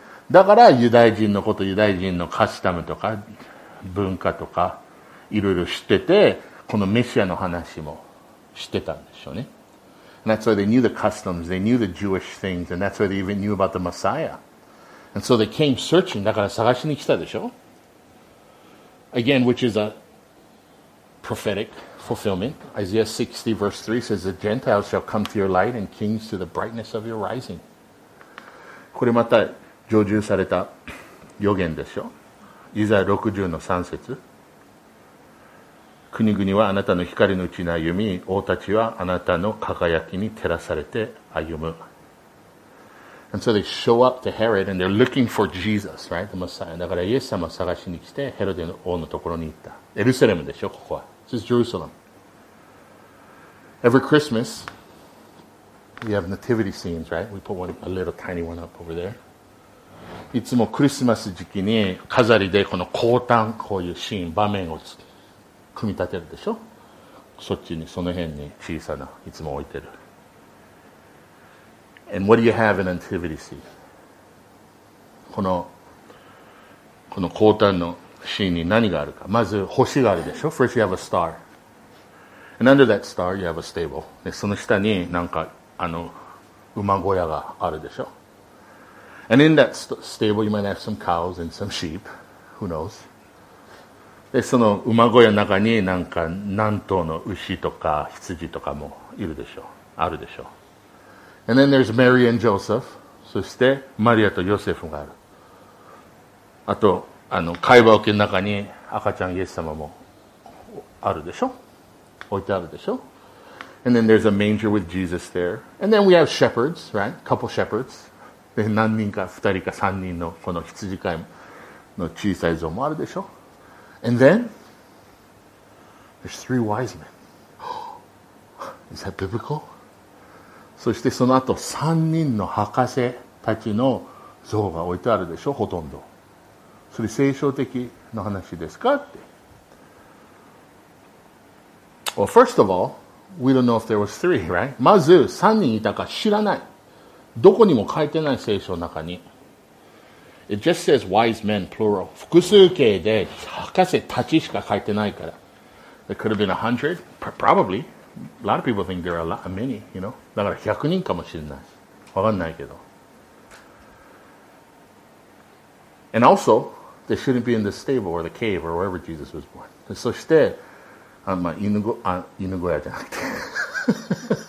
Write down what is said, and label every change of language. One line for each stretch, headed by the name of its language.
Japanese: だからユダヤ人のこと、ユダヤ人のカスタムとか文化とかいろいろ知ってて、このメシアの話も知ってたんでしょうね。
English: And that's why they knew the customs, they knew the Jewish things, and that's why they even knew about the Messiah. And so they came searching,
Japanese: だから探しに来たでしょ。
English: Again, which is a prophetic fulfillment. Isaiah 60 verse 3 says, the Gentiles shall come to your light and kings to the brightness of your rising.
Japanese: これまた成就された予言でしょ。イザヤ60の3節。国々はあなたの光のうちに歩み、王たちはあなたの輝きに照らされて歩む。
English: And so they show up to Herod and they're looking for Jesus, right? The Messiah.
Japanese: だからイエス様を探しに来て、ヘロデの王のところに行った。エルサレムでしょ、ここは。
English: This is Jerusalem. Every Christmas, we have nativity scenes, right? We put one, a little tiny one up over there.
Japanese: いつもクリスマス時期に飾りでこの降誕、こういうシーン、場面を組み立てるでしょ。そっちに、その辺に小さな、いつも置いてる。
English: And what do you have in a nativity scene?
Japanese: この降誕の、シーンに何があるか。まず星があるでしょ。
English: First you have a star. And under that star you have a stable.
Japanese: で、その下になんか、あの、馬小屋があるでしょ。
English: And in that stable you might have some cows and some sheep. Who knows?
Japanese: で、その馬小屋の中になんか何頭の牛とか羊とかもいるでしょ。あるでしょ。
English: And then there's Mary and Joseph.
Japanese: そしてマリアとヨセフがある。あと、あの会話桶の中に赤ちゃんイエス様もあるでしょ、置いてあるでしょ。
English: And then there's a manger with Jesus there. And then we have shepherds, right? Couple shepherds.
Japanese: で、何人か、二人か三人のこの羊飼いの小さい像もあるでしょ。
English: And then there's three wise men. Is that biblical?
Japanese: そしてその後三人の博士たちの像が置いてあるでしょ、ほとんど。それ聖書的の話ですかって。
English: Well, first of all, we don't know if there was three, right?
Japanese: まず3人いたか知らない。どこにも書いてない聖書の中に。
English: It just says wise men, plural.
Japanese: 複数形で博士たちしか書いてないから。
English: There could have been 100, probably. A lot of people think there are many, you know.
Japanese: だから100人かもしれない。わかんないけど。
English: And also, they shouldn't be in the stable or the cave or wherever Jesus was born.
Japanese: そして、犬小屋じゃなくて。